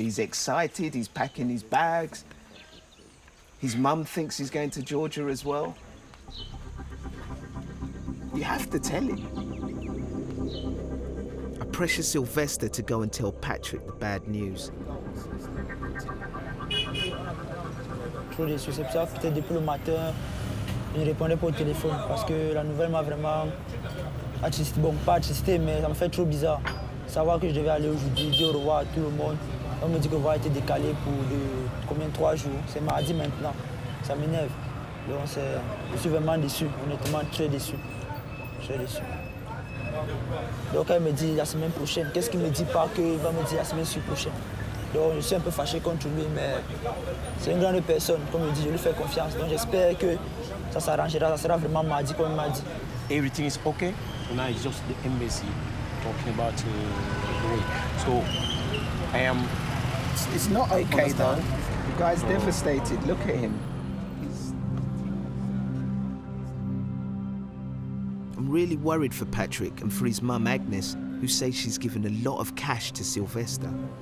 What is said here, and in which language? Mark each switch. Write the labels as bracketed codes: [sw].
[en] He's excited, he's packing his bags. His mum thinks he's going to Georgia as well. You have to tell him. I pressure Sylvester to go and tell Patrick the bad news. [fr] Je suis ça, peut-être depuis le matin, je ne répondais pas au téléphone parce que la nouvelle m'a vraiment. Bon, pas attristé, mais ça me fait trop bizarre. Savoir que je devais aller aujourd'hui, dire au revoir à tout le monde. On me dit que le vol a été décalé pour combien, 3 jours. C'est mardi maintenant. Ça m'énerve. Donc, je suis vraiment déçu, honnêtement, très déçu. Très déçu. Donc, elle me dit la semaine prochaine. Qu'est-ce qu'il me dit pas qu'il va me dire la semaine prochaine? Donc, je suis un peu fâché contre lui, mais c'est une grande personne. Comme il dit, je lui fais confiance. Donc, j'espère que ça s'arrangera. Ça sera vraiment mardi, comme il m'a dit. [en] Everything is okay? Now it's just the embassy talking about way. So I am. It's not okay though. The guy's devastated. Look at him. I'm really worried for Patrick and for his mum Agnes, who says she's given a lot of cash to Sylvester.